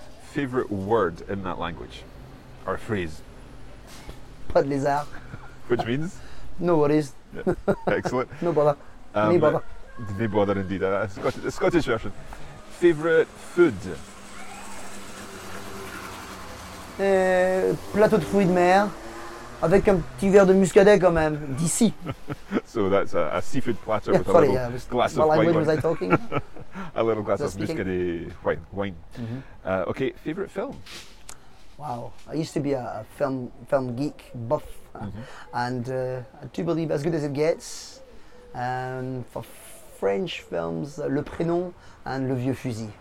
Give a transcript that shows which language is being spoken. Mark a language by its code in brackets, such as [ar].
[en] Favourite word in that language or phrase? [fr] Pas de lézard. [en] Which means? No worries. Yeah. Excellent. No bother. Me bother. They bother indeed, the Scottish version. Favourite food? [fr] Plateau de fruits de mer, avec un petit verre de muscadet quand même, d'ici. [en] So that's a seafood platter with glass of wine. What language was I talking? A little glass of muscadet wine. Mm-hmm. Okay, favourite film? Wow, I used to be a film geek, buff. Mm-hmm. And I do believe As Good As It Gets. For French films, Le Prénom and Le Vieux Fusil.